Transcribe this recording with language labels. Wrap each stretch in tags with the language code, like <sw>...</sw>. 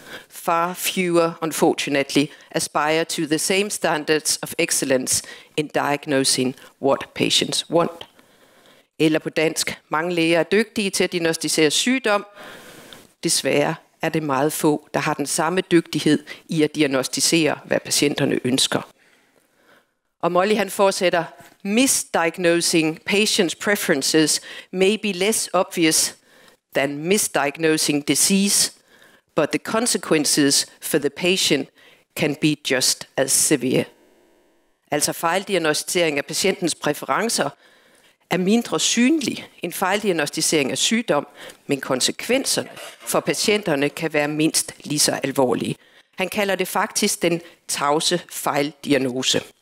<en>Far fewer, unfortunately, aspire to the same standards of excellence in diagnosing what patients want.</en> <da>Eller på dansk, mange læger er dygtige til at diagnostisere sygdom. Desværre er det meget få, der har den samme dygtighed i at diagnostisere, hvad patienterne ønsker. Og Molly han fortsætter,</da> <en>misdiagnosing patients' preferences may be less obvious than misdiagnosing disease, but the consequences for the patient can be just as severe.</en> <da>Altså fejldiagnostisering af patientens præferencer er mindre synlig end fejldiagnostisering af sygdom, men konsekvenserne for patienterne kan være mindst lige så alvorlige. Han kalder det faktisk den tavse fejldiagnose.</da>